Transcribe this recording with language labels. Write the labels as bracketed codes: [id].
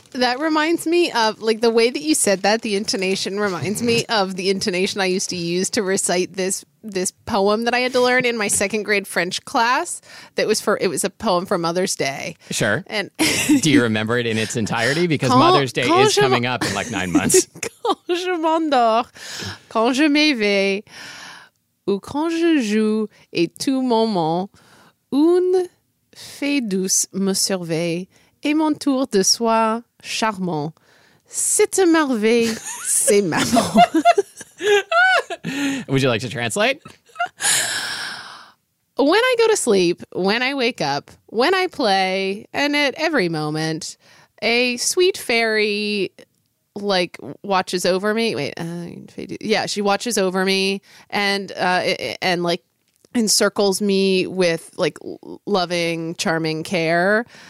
[en] That reminds me of, like, the way that you said that, the intonation reminds me of the intonation I used to use to recite this poem that I had to learn in my second grade French class. That was for, it was a poem for Mother's Day. Sure. And do you remember it in its entirety? Because Mother's Day is coming up in like 9 months. [fr] Quand je m'endors, quand je m'éveille, ou quand je joue et tout moment, une fée douce me surveille et m'entoure de soie charmant. C'est une merveille, c'est maman. [en] Would you like to translate? When I go to sleep, when I wake up, when I play, and at every moment, a sweet fairy, like, watches over me. She watches over me and like, encircles me with, like, loving, charming care.